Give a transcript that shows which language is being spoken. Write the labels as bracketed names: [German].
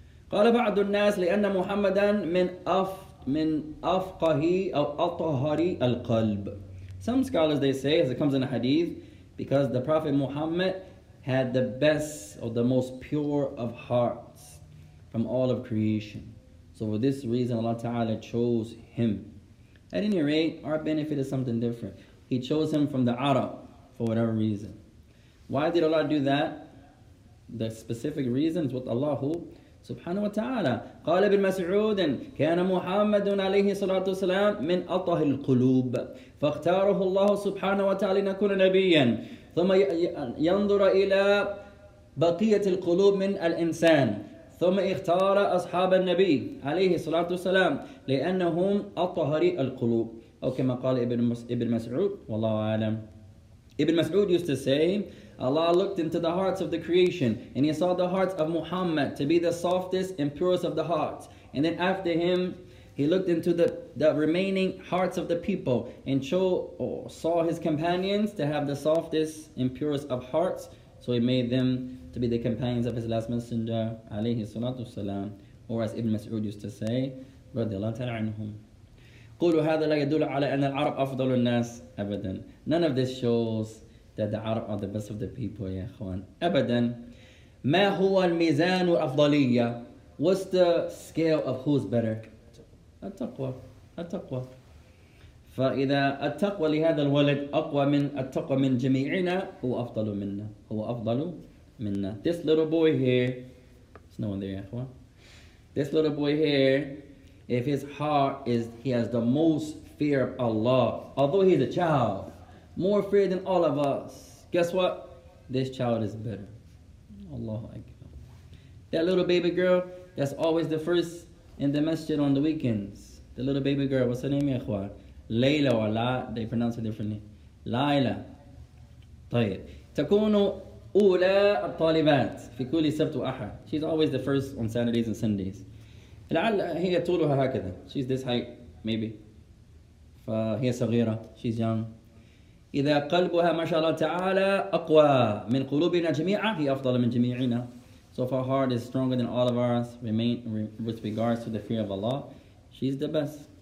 [Arabic] قال بعض الناس لأن محمدا من أفقه أو أطهر القلب. [English] Some scholars, they say, as it comes in a hadith, because the Prophet Muhammad had the best or the most pure of hearts from all of creation. So for this reason, Allah Ta'ala chose him. At any rate, our benefit is something different. He chose him from the Arab for whatever reason. Why did Allah do that? The specific reason is with Allah Subhanahu wa Ta'ala. [Arabic] قال ابن مسعود كان محمد عليه الصلاة والسلام من أطهر القلوب فاختاره الله سبحانه وتعالى لنكون نبيا ثم ينظر إلى بقية القلوب من الإنسان ثم اختار أصحاب النبي عليه الصلاة والسلام لأنهم أطهر القلوب. أو كما قال ابن مسعود والله أعلم. [English] Ibn Mas'ud used to say, Allah looked into the hearts of the creation and he saw the hearts of Muhammad to be the softest and purest of the hearts. And then after him, he looked into the remaining hearts of the people and saw his companions to have the softest and purest of hearts. So he made them to be the companions of his last messenger, alayhi salatu salam. Or as Ibn Mas'ud used to say, radiallahu ta'ala anhum. [Arabic] قولوا هذا لا يدل على أن العرب أفضل الناس أبدا. [English] None of this shows that the Arab are the best of the people, [Arabic] يا إخوان. أبدا. ما هو الميزان الأفضلية؟ [English] What's the scale of who's better? [Arabic] التقوى. فإذا التقوى لهذا الولد أقوى من التقوى من جميعنا هو أفضل منا. [English] This little boy here, there's no one there, [Arabic] يا إخوان. [English] This little boy here, if his heart is, he has the most fear of Allah, although he's a child, more fear than all of us, guess what? This child is better. Allahu Akbar. That little baby girl, that's always the first in the masjid on the weekends. The little baby girl, what's her name, ya akhwat? Layla or La, they pronounce it differently. Layla. طيب. [Arabic] تكونوا أولى الطالبات في كل سبت وأحد. [English] She's always the first on Saturdays and Sundays. [Arabic] لعل هي طولها هكذا. [English] She's this height, maybe. [Arabic] فهي صغيرة. [English] She's young. [Arabic] إذا قلبها ما شاء الله تعالى أقوى من قلوبنا جميعا هي أفضل من جميعنا. [English] So if her heart is stronger than all of ours, remain with regards to the fear of Allah, she's the best.